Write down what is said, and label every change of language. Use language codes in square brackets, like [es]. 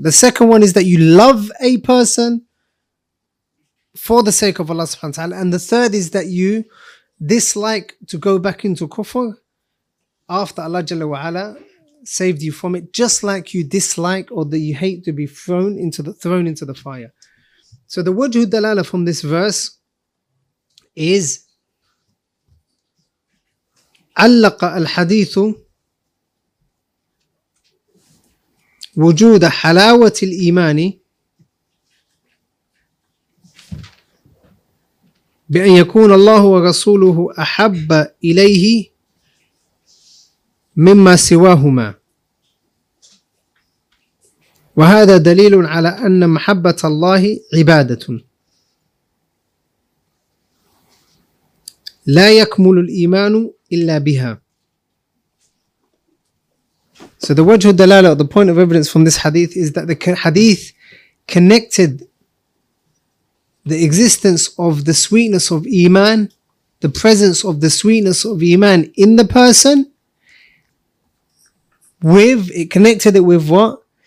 [en] The second one is that you love a person for the sake of Allah subhanahu wa ta'ala. And the third is that you dislike to go back into kufr after Allah Jalla wa Ala saved you from it, just like you dislike or that you hate to be thrown into the fire. So the wajhu dalala from this verse is [ar] علق الحديث وجود حلاوة الإيمان بأن يكون الله ورسوله أحب إليه مما سواهما. وهذا دليل على أن محبة الله عبادة لا يكمل الإيمان إلا بها. [en] So the وجه الدلالة, the point of evidence from this hadith is that the hadith connected the existence of the sweetness of Iman, the presence of the sweetness of Iman in the person, with, it connected it with what?